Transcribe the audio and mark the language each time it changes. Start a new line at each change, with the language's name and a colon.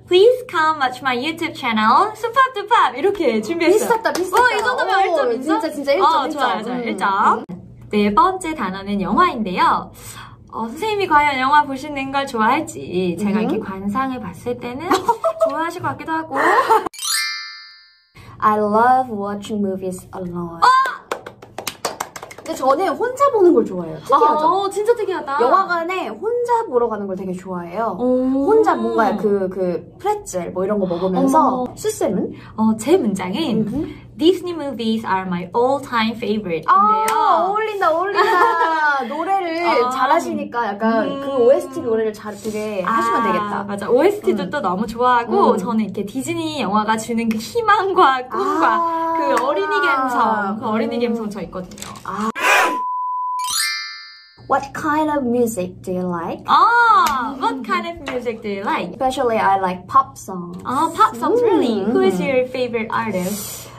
English: Please come watch my YouTube channel.
Korean: 수팝 두팝 이렇게 준비했어요. 비슷하다, 비슷하다. 오, 이 정도면 오, 1점 있어? 진짜 1점. 어, 좋아요, 좋아요. 1점. 네 번째 단어는 영화인데요. 선생님이 과연 영화 보시는 걸 좋아할지 제가 이렇게 관상을 봤을 때는 좋아하실 것 같기도 하고.
English: I love watching movies alone. 어!
Korean: 근데 저는 혼자 보는 걸 좋아해요. 특이하죠? 아, 진짜 특이하다. 영화관에 혼자 보러 가는 걸 되게 좋아해요. 혼자 뭔가 그 프레첼 뭐 이런 거 먹으면서. 수쌤은? 제 문장은
English: Disney movies are my all-time favorite.
Korean: 아, 어울린다, 어울린다. 노래를 잘하시니까 약간 그 OST 노래를 잘 되게 하시면 되겠다. 맞아. OST도 또 너무 좋아하고 저는 이렇게 디즈니 영화가 주는 그 희망과 꿈과 그 어린이 감성, 그 어린이 감성 저 있거든요. 아.
English: What kind of music do you like? What kind of music do you like? Especially I like pop songs. Oh, pop songs really. Who is your favorite artist?